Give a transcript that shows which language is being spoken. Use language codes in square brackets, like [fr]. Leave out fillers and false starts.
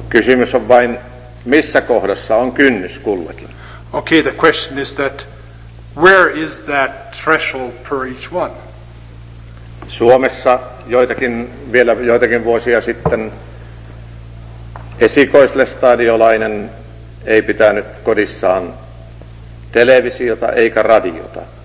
[fi] Kysymys on vain, missä kohdassa on kynnys kullakin. [en] Okay, the question is that where is that threshold per each one? [fi] Suomessa joitakin vuosia sitten esikoislestadiolainen ei pitänyt kodissaan televisiota eikä radiota.